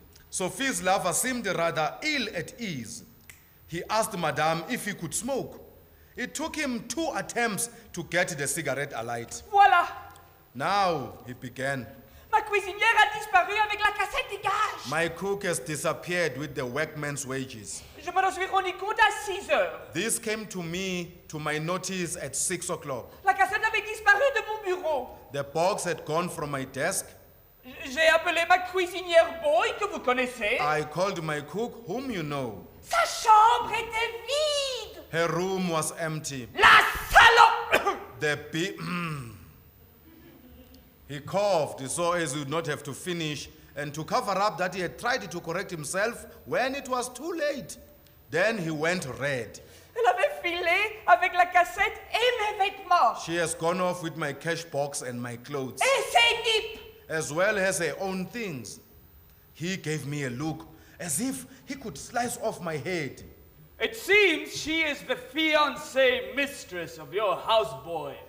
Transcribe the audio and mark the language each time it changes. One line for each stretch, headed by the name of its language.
English: Sophie's lover seemed rather ill at ease. He asked Madame if he could smoke. It took him 2 attempts to get the cigarette alight.
French: "Voila!"
English: Now, he began.
French: "Ma cuisinière a disparu avec la cassette de gage."
English: My cook has disappeared with the workman's wages.
French: "Je me suis rendu compte à 6 heures."
English: This came to me, to my notice, at 6 o'clock.
French: "La cassette avait disparu de mon bureau."
English: The box had gone from my desk.
French: "J'ai appelé ma cuisinière boy que vous connaissez."
English: I called my cook, whom you know.
French: "Sa chambre était vide."
English: Her room was empty.
French: "La salope!"
English: He coughed so as he would not have to finish and to cover up that he had tried to correct himself when it was too late. Then he went red.
French: "Elle avait filé avec la cassette et mes vêtements."
English: She has gone off with my cash box and my clothes.
French: "Et ses nippes."
English: As well as her own things. He gave me a look as if he could slice off my head. "It seems she is the fiancée mistress of your houseboy,"